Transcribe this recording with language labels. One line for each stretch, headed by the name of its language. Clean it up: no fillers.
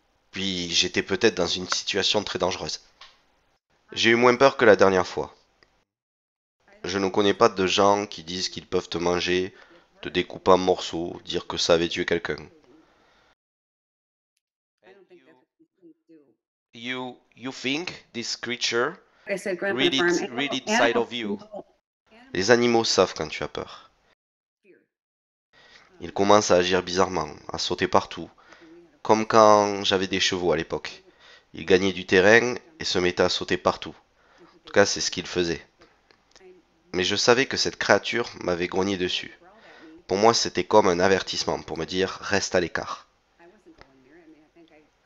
French: Puis j'étais peut-être dans une situation très dangereuse. J'ai eu moins peur que la dernière fois. Je ne connais pas de gens qui disent qu'ils peuvent te manger, te découper en morceaux, dire que ça avait tué quelqu'un.
English: You think this creature read it, read inside of you.
French: Les animaux savent quand tu as peur. Il commence à agir bizarrement, à sauter partout, comme quand j'avais des chevaux à l'époque. Il gagnait du terrain et se mettait à sauter partout. En tout cas, c'est ce qu'il faisait. Mais je savais que cette créature m'avait grogné dessus. Pour moi, c'était comme un avertissement pour me dire « reste à l'écart ».